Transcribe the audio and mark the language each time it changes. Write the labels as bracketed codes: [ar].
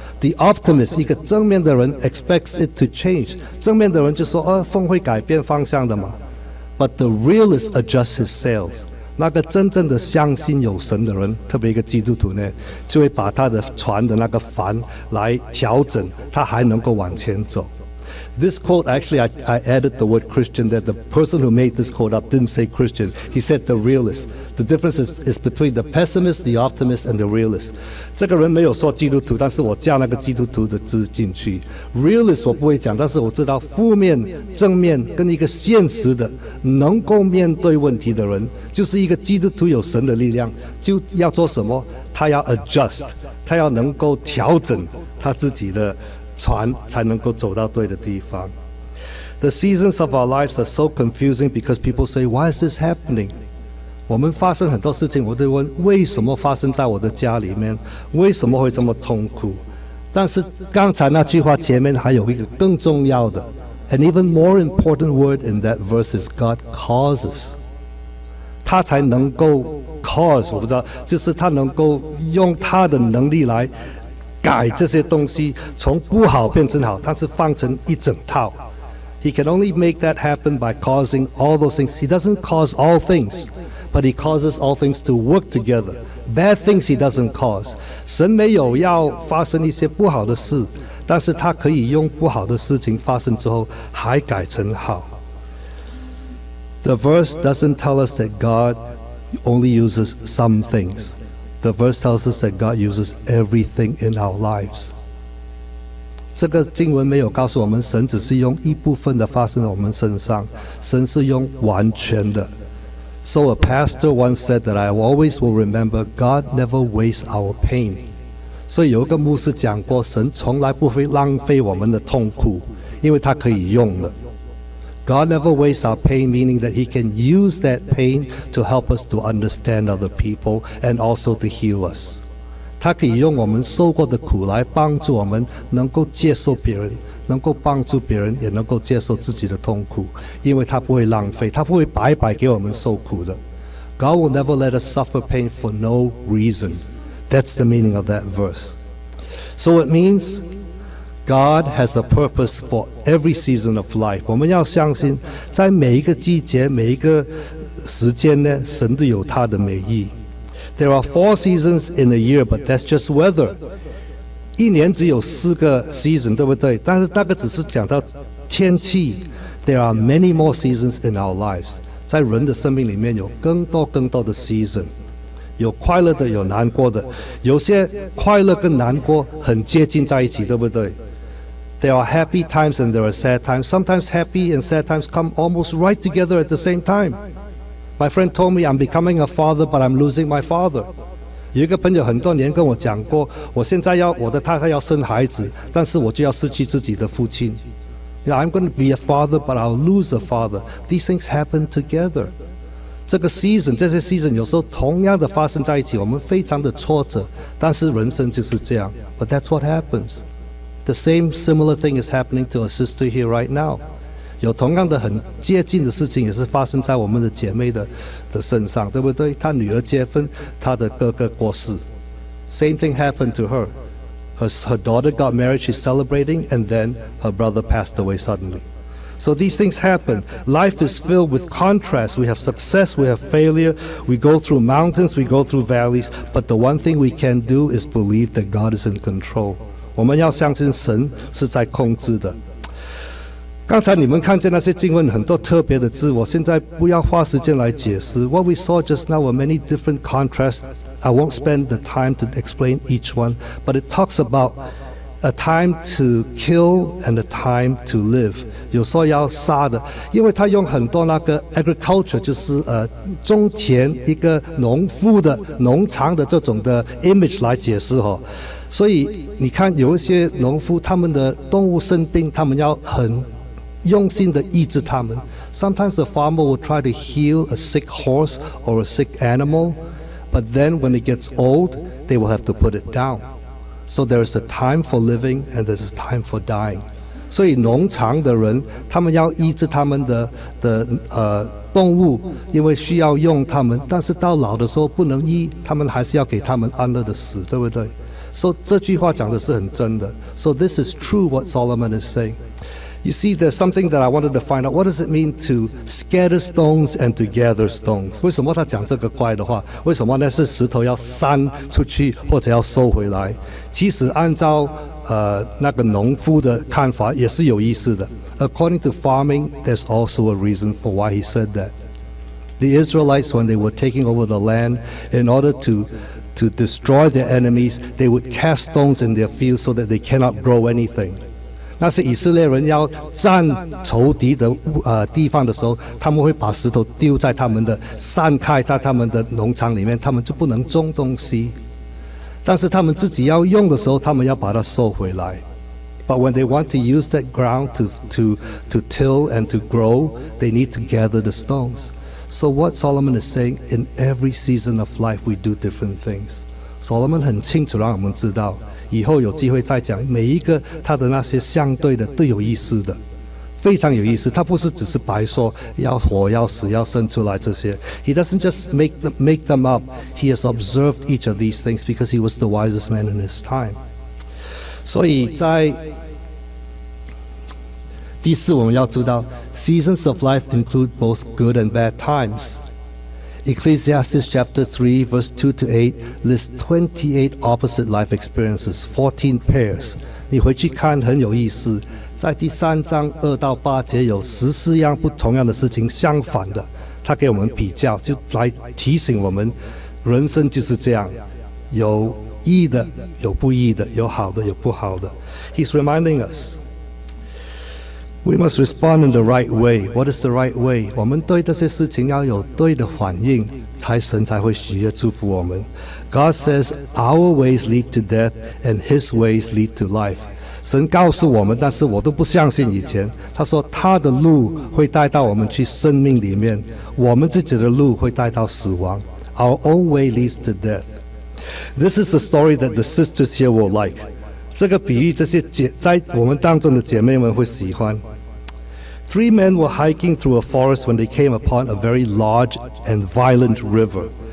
[en] The optimist [zh] 一个正面的人 [en] expects it to change， [zh] 正面的人就说风会改变方向的嘛。 [en] But the realist adjusts his sails， [zh] 那个真正的相信有神的人，特别一个基督徒呢，就会把他的船的那个帆来调整，他还能够往前走。 [en] This quote, actually, I added the word Christian, that the person who made this quote up didn't say Christian. He said the realist. The difference is between the pessimist, the optimist, and the realist. [zh] 这个人没有说基督徒，但是我加那个基督徒的字进去。 Realist 我不会讲，但是我知道负面、正面跟一个现实的、能够面对问题的人，就是一个基督徒有神的力量，就要做什么？他要 adjust， 他要能够调整他自己的船才能够走到对的地方。 [en] The seasons of our lives are so confusing because people say, why is this happening? [zh] 我们发生很多事情，我就问为什么发生在我的家里面，为什么会这么痛苦。但是刚才那句话前面还有一个更重要的 [en] an even more important word in that verse is God causes. [zh] 他才能够 cause， 我不知道，就是他能够用他的能力来改这些东西，从不好变成好，它是放成一整套。 [en] He can only make that happen by causing all those things. He doesn't cause all things, but he causes all things to work together. Bad things he doesn't cause. [zh] 神没有要发生一些不好的事，但是他可以用不好的事情发生之后还改成好。 [en] The verse doesn't tell us that God only uses some things. The verse tells us that God uses everything in our lives. [zh] 这个经文没有告诉我们神只是用一部分的发生在我们身上，神是用完全的。 [en] So a pastor once said that I always will remember God never wastes our pain. [zh] 所以有一个牧师讲过，神从来不会浪费我们的痛苦，因为他可以用的。 [en] God never wastes our pain, meaning that He can use that pain to help us to understand other people and also to heal us. [zh] 他可以用我们受过的苦来帮助我们能够接受别人，能够帮助别人，也能够接受自己的痛苦，因为他不会浪费，他不会白白给我们受苦的。 [en] God will never let us suffer pain for no reason. That's the meaning of that verse. So it means... God has a purpose for every season of life. [zh] 我们要相信在每一个季节每一个时间呢，神都有他的美意。 [en] There are four seasons in a year, but that's just weather. [zh] 一年只有四个 season, 对不对？但是那个只是讲到天气。 [en] There are many more seasons in our lives. [zh] 在人的生命里面有更多更多的 season。有快乐的，有难过的，有些快乐跟难过很接近在一起，对不对？ [en] There are happy times and there are sad times. Sometimes happy and sad times come almost right together at the same time. My friend told me, I'm becoming a father, but I'm losing my father. [zh] 有一个朋友很多年跟我讲过，我现在要我的太太要生孩子，但是我就要失去自己的父亲。 [en] You know, I'm going to be a father, but I'll lose a father. These things happen together. [zh] 这个 season, 这些 season 有时候同样的发生在一起，我们非常的挫折，但是人生就是这样。 [en] But that's what happens. The same similar thing is happening to a sister here right now. [zh] 有同样的很接近的事情也是发生在我们的姐妹 的身上，对不对？她女儿结婚，她的哥哥过世。 [en] Same thing happened to her. Her daughter got married, she's celebrating, and then her brother passed away suddenly. So these things happen. Life is filled with contrast. We have success, we have failure. We go through mountains, we go through valleys. But the one thing we can do is believe that God is in control. [zh] 我们要相信神是在控制的。刚才你们看见那些经文很多特别的字，我现在不要花时间来解释。 [en] What we saw just now were many different contrasts. I won't spend the time to explain each one, but it talks about a time to kill and a time to live. [zh] 有说要杀的，因为他用很多那个 agriculture 就是种田，一个农夫的农场的这种的 image 来解释哦。所以你看有一些农夫他们的动物生病，他们要很用心的医治他们。 [en] Sometimes the farmer will try to heal a sick horse or a sick animal, but then when it gets old, they will have to put it down. So there is a time for living and there is a time for dying. [zh] 所以农场的人他们要医治他们的动物，因为需要用他们，但是到老的时候不能医，他们还是要给他们安乐的死，对不对？ So, 这句话讲的是很真的。 [en] So, this is true what Solomon is saying. You see, there's something that I wanted to find out. What does it mean to scatter stones and to gather stones? [zh] 为什么他讲这个怪的话？为什么那是石头要散出去或者要收回来？其实按照那个农夫的看法也是有意思的。 [en] according to farming, there's also a reason for why he said that. The Israelites, when they were taking over the land, in order to destroy their enemies, they would cast stones in their fields so that they cannot grow anything. [zh] 那是以色列人要战仇敌的地方的时候，他们会把石头丢在他们的散开在他们的农场里面，他们就不能种东西。但是他们自己要用的时候，他们要把它收回来。 [en] But when they want to use that ground to till and to grow, they need to gather the stones. So what Solomon is saying, in every season of life, we do different things. [zh] Solomon 很清楚让我们知道。以后有机会再讲每一个他的那些相对的都有意思的，非常有意思。他不是只是白说要活要死要生出来这些。 [en] He doesn't just make them up. He has observed each of these things because he was the wisest man in his time. [zh] 所以在第四，我们要知道 [en] seasons of life include both good and bad times. Ecclesiastes chapter 3 verse 2 to 8 lists 28 opposite life experiences, 14 pairs. [zh] 你回去看很有意思，在第三章2到8节有14样不同样的事情，相反的，他给我们比较，就来提醒我们，人生就是这样，有意的，有不意的，有好的，有不好的。 [en] He's reminding us. We must respond in the right way. What is the right way? [zh] 我们对这些事情要有对的反应，才神才会喜悦祝福我们。 [en] God says, our ways lead to death, and his ways lead to life. [zh] 神告诉我们，但是我都不相信以前。他说他的路会带到我们去生命里面，我们自己的路会带到死亡。 [en] Our own way leads to death. This is a story that the sisters here will like. [zh] 这个比喻这些姐在我们当中的姐妹们会喜欢。 [en] Three men were hiking through a forest when they came upon a very large and violent river.